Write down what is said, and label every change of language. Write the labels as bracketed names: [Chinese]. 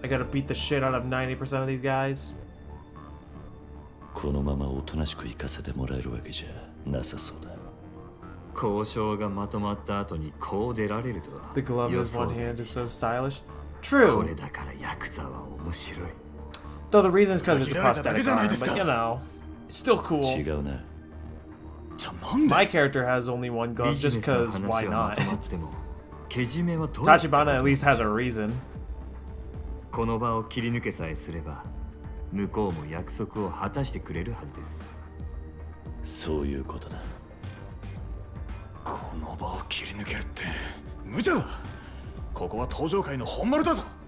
[English] I gotta beat the shit out of 90% of these guys. [Japanese] このままおとなしく行かせてもらえるわけじゃなさそうだ。交渉がまとまった後にこう出られるとは。 [English] The glove is one hand is so stylish. True. [Japanese] これだからヤクザは面白い。 [English] Though the reason is because it's a prosthetic arm, but you know, it's still cool. [Japanese] 違うな。 [English] My character has only one glove just because why not? Tachibana at least has a reason. [Japanese] この場を切り抜けさえすれば、向こうも約束を果たしてくれるはずです。そういうことだ。この場を切り抜けるって、無茶だ。ここは登場界の本丸だぞ。